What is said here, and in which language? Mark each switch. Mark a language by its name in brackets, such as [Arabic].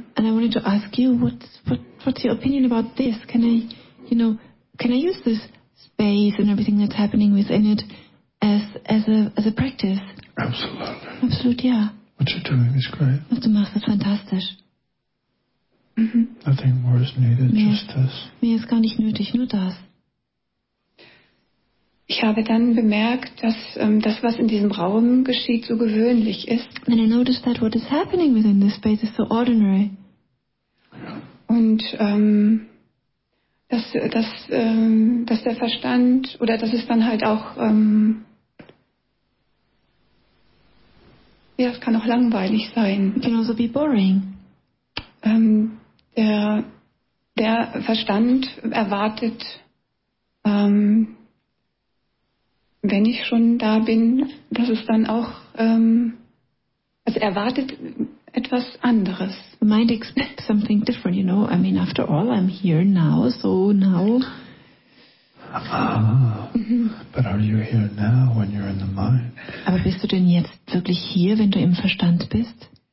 [English] And I wanted to ask you, what's your opinion about this? Can I use this space and everything that's happening within it as a practice? Absolutely. Absolutely, yeah. What you're doing is great. [German] Was du machst, ist fantastisch. [English] Mm-hmm. Nothing more is needed, mehr, just this. [German] Mehr ist gar nicht nötig, nur das. Ich habe dann bemerkt, dass das, was in diesem Raum geschieht, so gewöhnlich ist. [English] And I noticed that what is happening within this space is so ordinary. [German] Und dass der Verstand oder dass es dann halt auch ja, es kann auch langweilig sein. [English] It can also be boring. [German] Der Verstand erwartet, wenn ich schon da bin, dass es dann auch also erwartet etwas anderes. [English] I might expect something different, you know. I mean, after all, I'm here now, so now. But are you here now when you're in the mind? [German] Aber bist du denn jetzt wirklich hier, wenn du im Verstand bist?